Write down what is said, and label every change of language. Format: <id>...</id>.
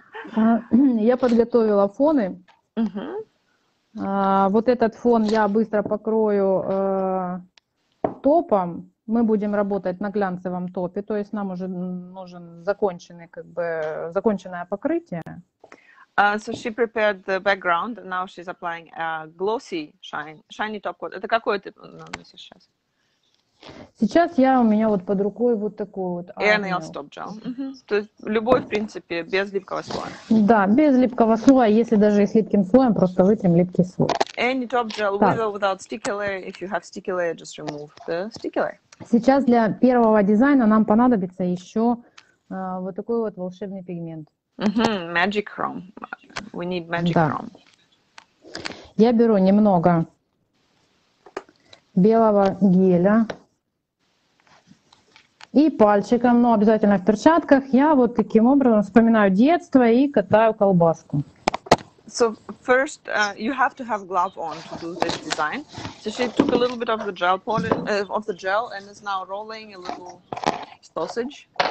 <ru>Я подготовила фоны. Uh-huh. Вот этот фон я быстро покрою топом. Мы будем работать на глянцевом топе, то есть нам уже нужен законченный, как бы, законченное покрытие.</ru> <en>So she prepared the background, and now she's applying a glossy shiny top coat.</en> <ru>Это какой ты наносишь сейчас? Сейчас я у меня вот под рукой вот такой вот.</ru> <en>Air nail stop gel. Mm-hmm.</en> <ru>То есть любой, в принципе, без липкого слоя. Да, без липкого слоя, если даже и с липким слоем, просто вытрем липкий слой.</ru> <en>Any top gel, with or without sticky layer. If you have sticky layer, just remove the sticky layer.</en> <ru>Сейчас для первого дизайна нам понадобится еще вот такой вот волшебный пигмент.</ru> <en>Mm-hmm. Magic chrome. We need magic chrome.</en> <ru>Я беру немного белого геля и пальчиком, но обязательно в перчатках, я вот таким образом вспоминаю детство и катаю колбаску.</ru> <en>So first you have to have glove on to do this design. So she took a little bit of the gel and is now rolling a little sausage.</en>